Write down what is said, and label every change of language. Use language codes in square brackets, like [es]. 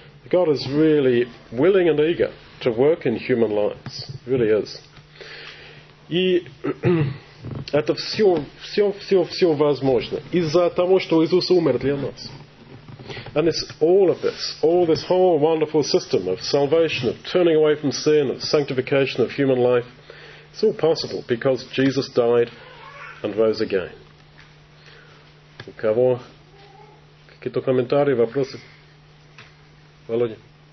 [en] God is really willing and eager to work in human lives. Really is. [ru] И это все возможно из-за того, что Иисус умер для нас. [en] And it's all this whole wonderful system of salvation, of turning away from sin, of sanctification of human life, it's all possible because Jesus died and rose again. [ru] У кого какие-то комментарии, вопросы? Володя.